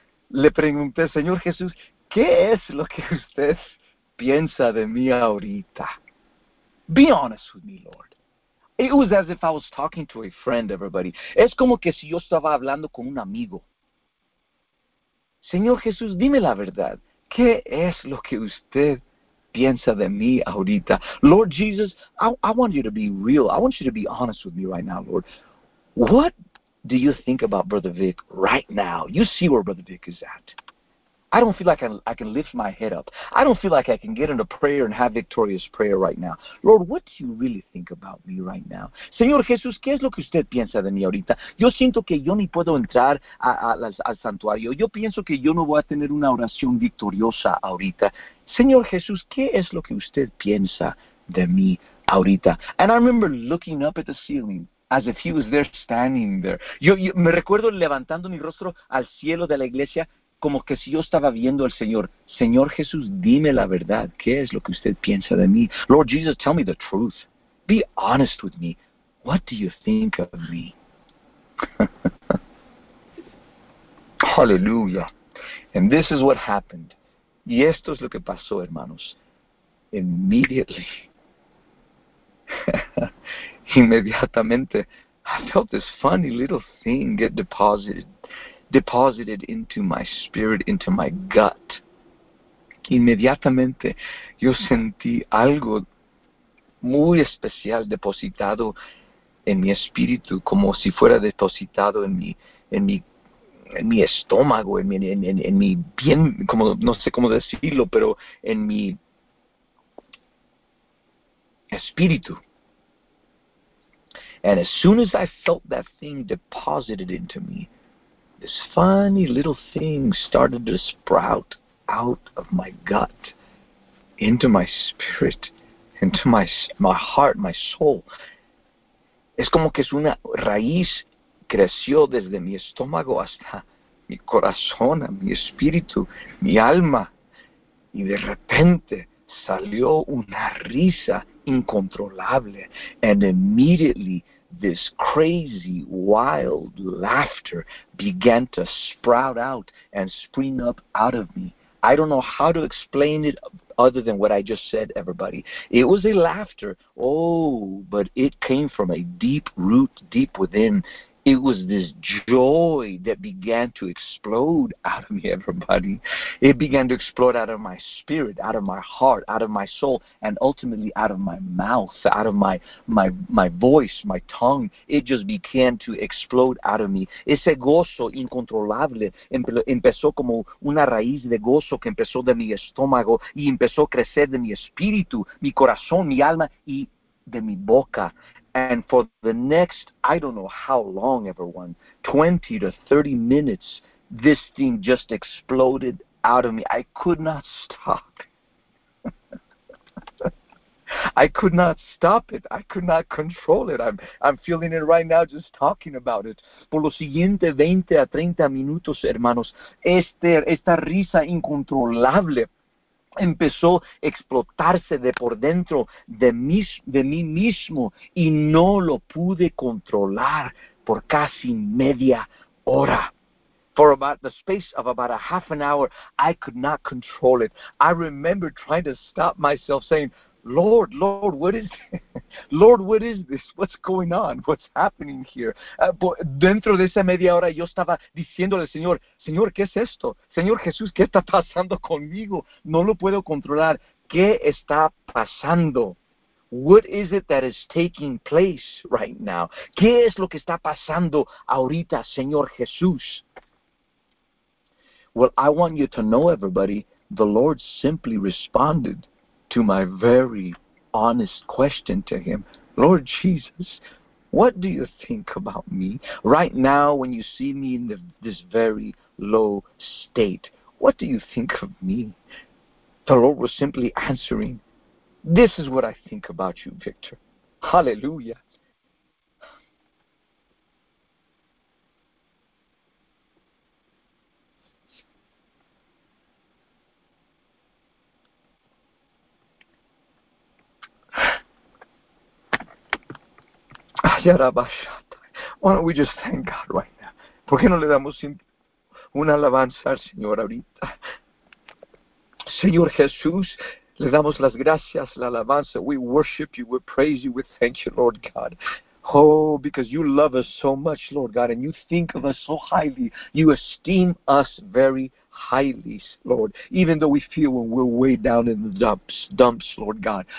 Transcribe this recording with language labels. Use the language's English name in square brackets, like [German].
[Spanish] Le pregunté, Señor Jesús, ¿qué es lo que usted piensa de mí ahorita? [English] Be honest with me, Lord. It was as if I was talking to a friend, everybody. [Spanish] Es como que si yo estaba hablando con un amigo. Señor Jesús, dime la verdad. ¿Qué es lo que usted piensa de mí ahorita? [English] Lord Jesus, I want you to be real. I want you to be honest with me right now, Lord. What do you think about Brother Vic right now? You see where Brother Vic is at. I don't feel like I can lift my head up. I don't feel like I can get into prayer and have victorious prayer right now. Lord, what do you really think about me right now? [Spanish] Señor Jesús, ¿qué es lo que usted piensa de mí ahorita? Yo siento que yo ni puedo entrar al santuario. Yo pienso que yo no voy a tener una oración victoriosa ahorita. Señor Jesús, ¿qué es lo que usted piensa de mí ahorita? [English] And I remember looking up at the ceiling as if he was there standing there. [Spanish] Yo me recuerdo levantando mi rostro al cielo de la iglesia, como que si yo estaba viendo al Señor. Señor Jesús, dime la verdad. ¿Qué es lo que usted piensa de mí? [English] Lord Jesus, tell me the truth. Be honest with me. What do you think of me? Hallelujah. And this is what happened. [Spanish] Y esto es lo que pasó, hermanos. [English] Immediately. [Spanish] Inmediatamente. [English] I felt this funny little thing get deposited into my spirit, into my gut. [Spanish] Inmediatamente, yo sentí algo muy especial depositado en mi espíritu, como si fuera depositado en mi estómago, en mi bien, como no sé cómo decirlo, pero en mi espíritu. [English] And as soon as I felt that thing deposited into me, this funny little thing started to sprout out of my gut, into my spirit, into my heart, my soul. [Spanish] Es como que es una raíz creció desde mi estómago hasta mi corazón, mi espíritu, mi alma. Y de repente salió una risa incontrolable. [English] And immediately, this crazy, wild laughter began to sprout out and spring up out of me. I don't know how to explain it other than what I just said, everybody. It was a laughter, but it came from a deep root, deep within. it was this joy that began to explode out of me, everybody. It began to explode out of my spirit, out of my heart, out of my soul, and ultimately out of my mouth, out of my voice, my tongue. It just began to explode out of me. [Spanish] Ese gozo incontrolable empezó como una raíz de gozo que empezó de mi estómago y empezó a crecer de mi espíritu, mi corazón, mi alma y de mi boca. [English] And for the next, I don't know how long, everyone, 20 to 30 minutes, this thing just exploded out of me. I could not stop. I could not stop it. I could not control it. I'm feeling it right now just talking about it. [Spanish] Por los siguientes 20 a 30 minutos, hermanos, esta risa incontrolable empezó a explotarse de por dentro de mí mismo y no lo pude controlar por casi media hora. [English] For about the space of about a half an hour, I could not control it. I remember trying to stop myself saying, Lord, Lord, what is this? Lord, what is this? What's going on? What's happening here? [Spanish] Dentro de esa media hora yo estaba diciéndole al Señor, Señor, ¿qué es esto? Señor Jesús, ¿qué está pasando conmigo? No lo puedo controlar. ¿Qué está pasando? [English] What is it that is taking place right now? [Spanish] ¿Qué es lo que está pasando ahorita, Señor Jesús? [English] Well, I want you to know, everybody, the Lord simply responded to my very honest question to him. Lord Jesus, what do you think about me? Right now, when you see me in this very low state, what do you think of me? The Lord was simply answering, this is what I think about you, Victor. Hallelujah. Why don't we just thank God right now? [Spanish] ¿Por qué no le damos una alabanza al Señor ahorita? Señor Jesús, le damos las gracias, la alabanza. [English] We worship you, we praise you, we thank you, Lord God. Oh, because you love us so much, Lord God, and you think of us so highly. You esteem us very highly, Lord, even though we feel when we're way down in the dumps, Lord God.